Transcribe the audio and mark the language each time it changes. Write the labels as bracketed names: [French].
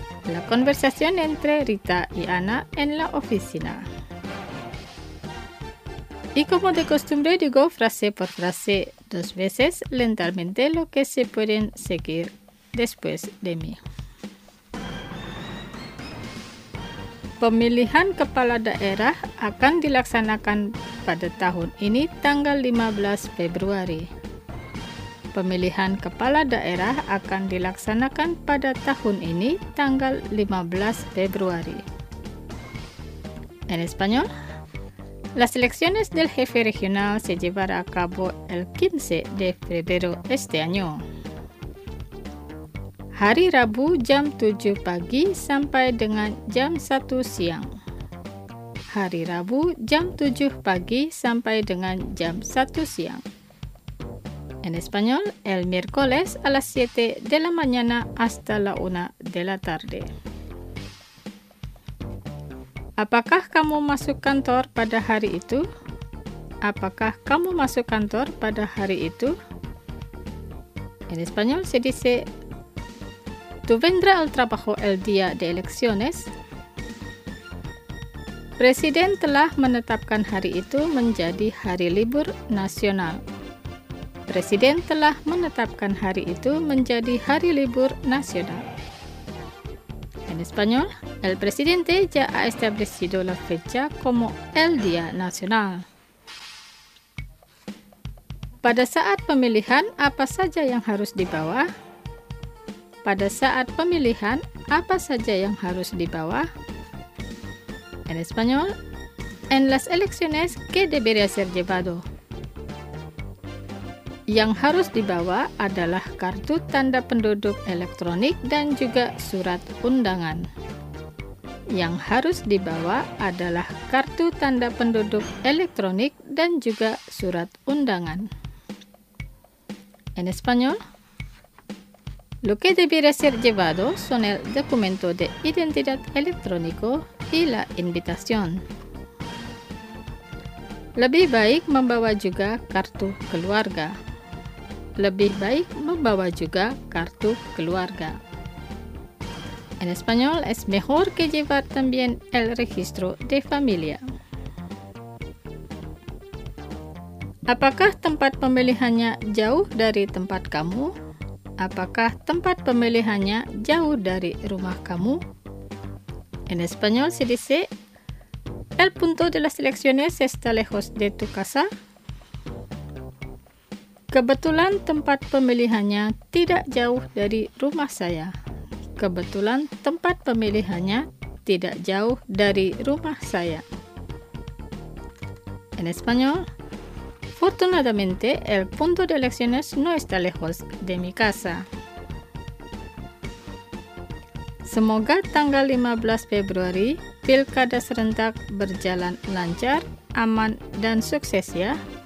[Spanish] La conversación entre Rita y Ana en la oficina. Y como de costumbre digo frase por frase dos veces lentamente lo que se pueden seguir después de mí. [Indonesian] Pemilihan kepala daerah akan dilaksanakan pada tahun ini tanggal 15 Februari. Pemilihan kepala daerah akan dilaksanakan pada tahun ini tanggal 15 Februari. [Spanish] En español, las elecciones del jefe regional se llevará a cabo el 15 de febrero este año. [Indonesian] Hari Rabu jam 7 pagi sampai dengan jam 1 siang. Hari Rabu jam 7 pagi sampai dengan jam 1 siang. [Spanish] En español, el miércoles a las 7 de la mañana hasta la 1 de la tarde. [Indonesian] Apakah kamu masuk kantor pada hari itu? Apakah kamu masuk kantor pada hari itu? [Spanish] En español, se dice ¿Tú vendrás al trabajo el día de elecciones? [Indonesian] Presiden telah menetapkan hari itu menjadi hari libur nasional. Presiden telah menetapkan hari itu menjadi hari libur nasional. [Spanish] En español, el presidente ya ha establecido la fecha como el día nacional. [Indonesian] Pada saat pemilihan, apa saja yang harus dibawa? Pada saat pemilihan, apa saja yang harus dibawa? [Spanish] En español, en las elecciones, ¿qué debería ser llevado? [Indonesian] Yang harus dibawa adalah kartu tanda penduduk elektronik dan juga surat undangan. Yang harus dibawa adalah kartu tanda penduduk elektronik dan juga surat undangan. [Spanish] En español, lo que debería ser llevado son el documento de identidad electrónico y la invitación. [Indonesian] Lebih baik membawa juga kartu keluarga. Lebih baik membawa juga kartu keluarga. [Spanish] En español, es mejor que llevar también el registro de familia. [Indonesian] Apakah tempat pemilihannya jauh dari tempat kamu? Apakah tempat pemilihannya jauh dari rumah kamu? [Spanish] En español, se dice, ¿el punto de las elecciones está lejos de tu casa? [Indonesian] Kebetulan tempat pemilihannya tidak jauh dari rumah saya. Kebetulan tempat pemilihannya tidak jauh dari rumah saya. [Spanish] En español, fortunadamente el punto de elecciones no está lejos de mi casa. [Indonesian] Semoga tanggal 15 Februari pilkada serentak berjalan lancar, aman, dan sukses ya.